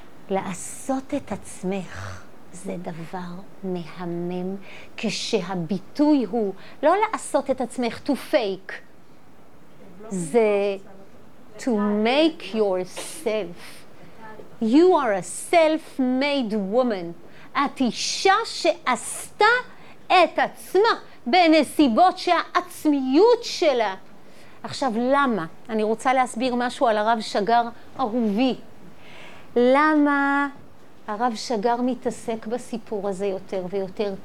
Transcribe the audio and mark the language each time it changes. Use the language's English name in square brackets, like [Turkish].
[Hebrew] לעשות את עצמך זה דבר מהמם, כשהביטוי הוא לא לעשות את עצמך [English] to fake, [Hebrew] זה [English] to make yourself. You are a self-made woman. [Hebrew] את אישה שעשתה את עצמה בנסיבות שהעצמיות שלה. עכשיו, למה? אני רוצה להסביר משהו על הרב שגר אהובי. למה הרב שגר מתעסק בסיפור הזה יותר ויותר?